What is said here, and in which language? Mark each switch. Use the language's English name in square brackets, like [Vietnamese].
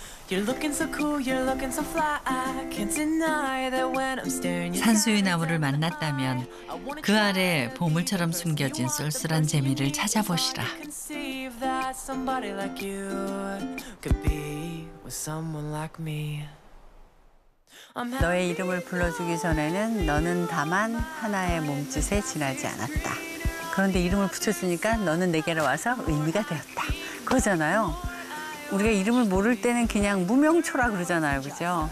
[English] You're looking so cool, you're looking so fly. I can't deny that when I'm staring. [Korean] 산수유나무를 만났다면 그 아래 보물처럼 숨겨진 쏠쏠한 재미를 찾아보시라. [English] Conceive that somebody like you could be with someone like me. [Korean] 너의 이름을 불러주기 전에는 너는 다만 하나의 몸짓에 지나지 않았다. 그런데 이름을 붙였으니까 너는 내게로 와서 의미가 되었다. 그거잖아요. 우리가 이름을 모를 때는 그냥 무명초라 그러잖아요. 그죠?